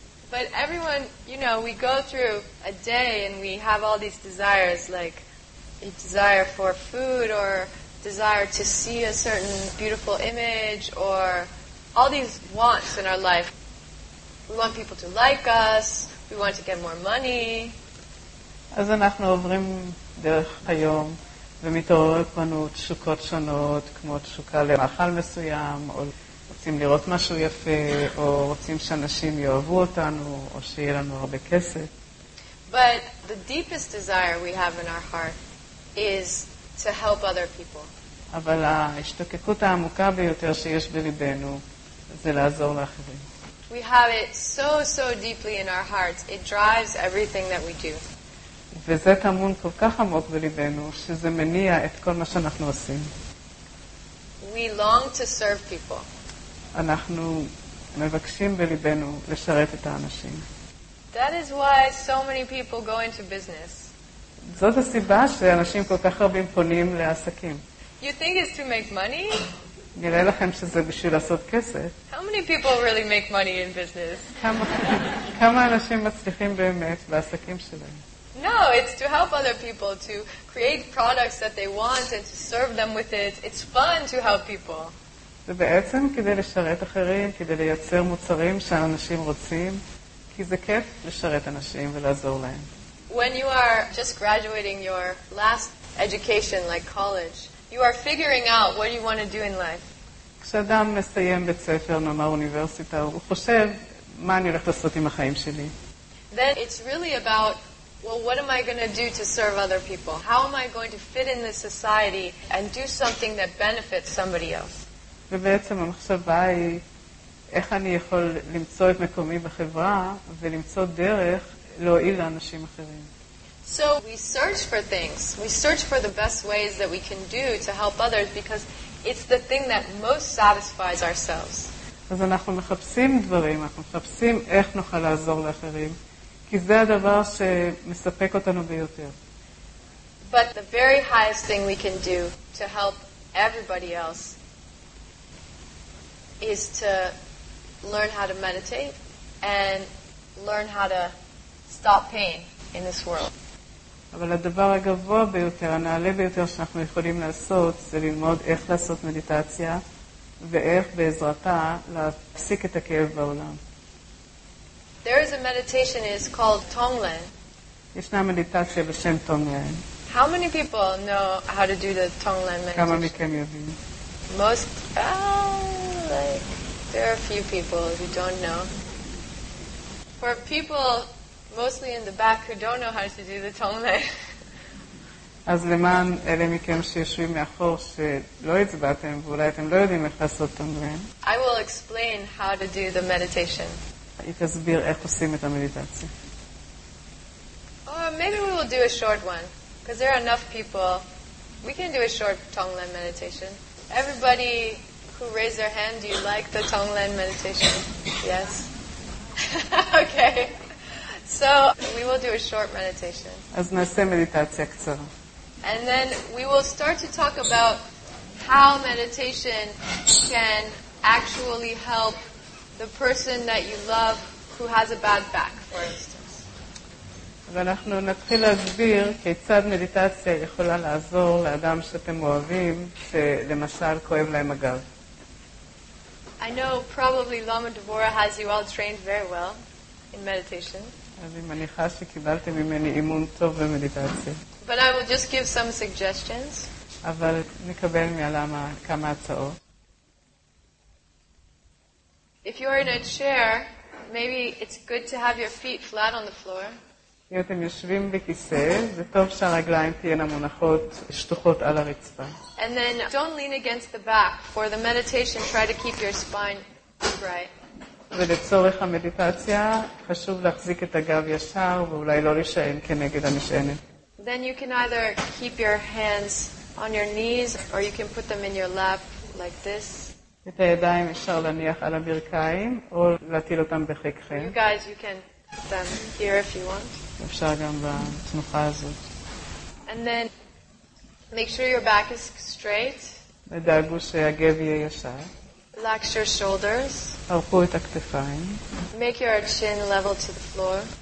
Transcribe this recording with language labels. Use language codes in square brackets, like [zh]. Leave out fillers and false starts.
[en] But everyone, you know, we go through a day and we have all these desires, like a desire for food or desire to see a certain beautiful image or all these wants in our life. We want people to like us, we want to get more money. [he] אז אנחנו עוברים דרך היום ומתעוררות בנו תשוקות שונות, כמו תשוקה למאכל מסוים או רוצים לראות משהו יפה, או רוצים שאנשים יאהבו אותנו, או שיהיה לנו הרבה כסף. [en] But the deepest desire we have in our heart is to help other people. [he] אבל ההשתוקקות העמוקה ביותר שיש בליבנו זה לעזור לאחרים. [en] We have it so, so deeply in our hearts. It drives everything that we do. [he] וזה טמון כל כך עמוק בליבנו, שזה מניע את כל מה שאנחנו עושים. [en] We long to serve people. [he] אנחנו מבקשים בליבנו לשרת את האנשים. [en] That is why so many people go into business. [he] זאת הסיבה שאנשים כל כך רבים פונים לעסקים. [en] You think it's to make money? [he] נראה לכם שזה בשביל לעשות כסף. [en] How many people really make money in business? [he] כמה אנשים מצליחים באמת בעסקים שלהם? [en] No, it's to help other people, to create products that they want and to serve them with it. It's fun to help people. [he] זה בעצם כדי לשרת אחרים, כדי לייצר מוצרים שאנשים רוצים, כי זה כיף לשרת אנשים ולעזור להם. [en] When you are just graduating your last education, like college, you are figuring out what you want to do in life. [he] כשאדם מסיים בית ספר, נאמר אוניברסיטה, הוא חושב, מה אני הולך לעשות עם החיים שלי? [en] Then it's really about, well, what am I going to do to serve other people? How am I going to fit in this society and do something that benefits somebody else? [he] ובעצם המחשבה היא איך אני יכול למצוא את מקומי בחברה ולמצוא דרך להועיל לאנשים אחרים. [en] So we search for things. We search for the best ways that we can do to help others because it's the thing that most satisfies ourselves. [he] אז אנחנו מחפשים דברים, אנחנו מחפשים איך נוכל לעזור לאחרים, כי זה הדבר שמספק אותנו ביותר. [en] But the very highest thing we can do to help everybody else is to learn how to meditate and learn how to stop pain in this world. [he] אבל הדבר הגבוה ביותר, הנעלה ביותר שאנחנו יכולים לעשות, זה ללמוד איך לעשות מדיטציה ואיך בעזרתה להפסיק את הכאב בעולם. [en] There is a meditation is called Tonglen. [he] ישנה מדיטציה בשם Tonglen. [en] How many people know how to do the Tonglen meditation? [he] כמה מכם יודעים? [en] Most like there are a few people who don't know. For people mostly in the back who don't know how to do the Tonglen. [he] אז למען אלה מכם שישבים מאחור שלא הצבעתם ואולי אתם לא יודעים איך לעשות Tonglen. [en] I will explain how to do the meditation. [he] היא תסביר איך עושים את המדיטציה. [en] Or maybe we will do a short one because there are enough people. We can do a short Tonglen meditation. Everybody who raised their hand, do you like the Tonglen meditation? Yes. Okay. So, we will do a short meditation. [he] אז נעשה מדיטציה קצרה. [en] And then we will start to talk about how meditation can actually help the person that you love who has a bad back, for instance. [he] ואנחנו נתחיל להסביר כיצד מדיטציה יכולה לעזור לאדם שאתם אוהבים שלמשל כואב להם הגב. [en] I know probably Lama Devora has you all trained very well in meditation. [he] אני מניחה שקיבלתם ממני אימון טוב במדיטציה. [en] But I will just give some suggestions. [he] אבל נקבל מהלמה כמה הצעות. [en] If you are in a chair, maybe it's good to have your feet flat on the floor. [he] אם אתם יושבים בכיסא, זה טוב שהרגליים תהיינה מונחות שטוחות על הרצפה. [en] And then don't lean against the back for the meditation. Try to keep your spine upright. [he] ולצורך המדיטציה חשוב להחזיק את הגב ישר ואולי לא להישען כנגד המשענת. [en] Then you can either keep your hands on your knees or you can put them in your lap like this. [he] את הידיים אפשר להניח על הברכיים או להטיל אותם בחיקכם. [en] You guys, you can put them here if you want. [he] אפשר גם בתנוחה הזאת. [en] And then make sure your back is straight. [he] ודאגו שהגב יהיה ישר. [en] Relax your shoulders. [he] הרפו את הכתפיים. [en] Make your chin level to the floor.